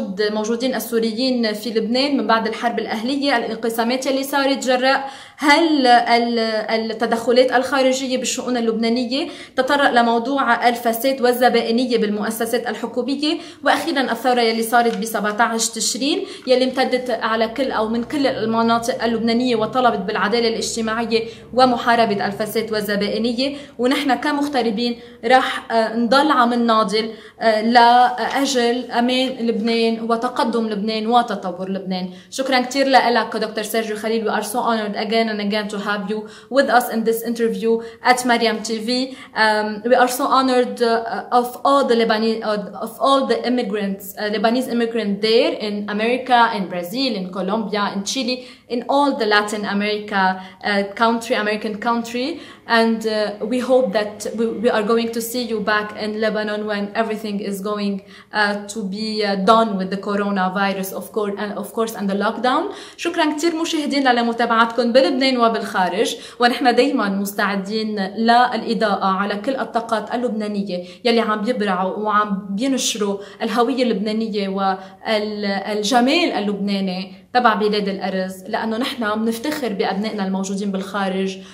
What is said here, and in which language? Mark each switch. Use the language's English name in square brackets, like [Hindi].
[Arabic] موجودين السوريين في لبنان من بعد الحرب الأهلية الانقسامات اللي صارت جراء هل التدخلات الخارجية بالشؤون اللبنانية تطرق لموضوع الفساد والزبائنية بالمؤسسات الحكومية وأخيرا الثورة اللي صارت ب 17 تشرين يلي امتدت على كل أو من كل المناطق اللبنانية وطلبت بالعدالة الاجتماعية ومحاربة الفساد والزبائنية ونحن كمغتربين راح نضل عم نناضل لأجل أمان لبنان وتقدم لبنان وتطور لبنان شكرا كتير لك دكتور سيرجيو خليل [English] we are so honored again and again to have you with us in this interview at Mariam TV. We are so honored of all the Lebanese, of all the immigrants, Lebanese immigrants there in America, in Brazil, in Colombia, in Chile, in all the Latin America country, American country. And we hope that we are going to see you back in Lebanon when everything is going to be done with the coronavirus, of course, and the lockdown. [Arabic] شكرا كتير مشاهدين على متابعتكم بلبنان وبالخارج ونحن دايما مستعدين للإضاءة على كل الطاقات اللبنانية يلي عم بيبرعوا وعم بينشروا الهوية اللبنانية والجمال اللبناني تبع بلاد الأرز لأنه نحن منفتخر بأبنائنا الموجودين بالخارج